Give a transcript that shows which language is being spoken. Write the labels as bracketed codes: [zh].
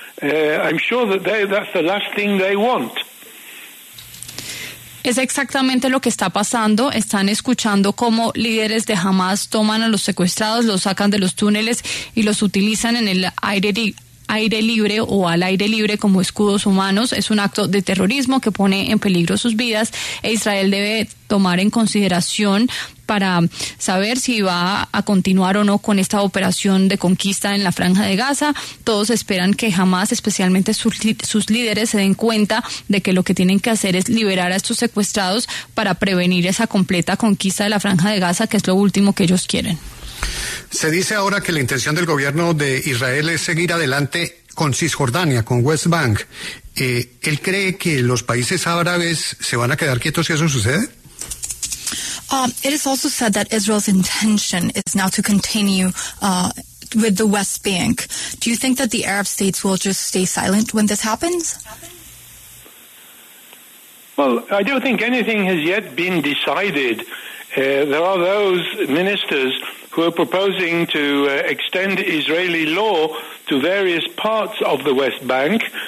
[en] I'm sure that that's the last thing they want. [es] Es exactamente lo que está pasando. Están escuchando cómo líderes de Hamas toman a los secuestrados, los sacan de los túneles y los utilizan en el aire libre o al aire libre como escudos humanos. Es un acto de terrorismo que pone en peligro sus vidas e Israel debe tomar en consideración para saber si va a continuar o no con esta operación de conquista en la Franja de Gaza. Todos esperan que Hamas, especialmente sus líderes, se den cuenta de que lo que tienen que hacer es liberar a estos secuestrados para prevenir esa completa conquista de la Franja de Gaza, que es lo último que ellos quieren. Se dice ahora que la intención del gobierno de Israel es seguir adelante con Cisjordania, con West Bank. ¿Él cree que los países árabes se van a quedar quietos si eso sucede? [en] It is also said that Israel's intention is now to continue with the West Bank. Do you think that the Arab states will just stay silent when this happens? Well, I don't think anything has yet been decided. There are those ministers who are proposing to extend Israeli law to various parts of the West Bank.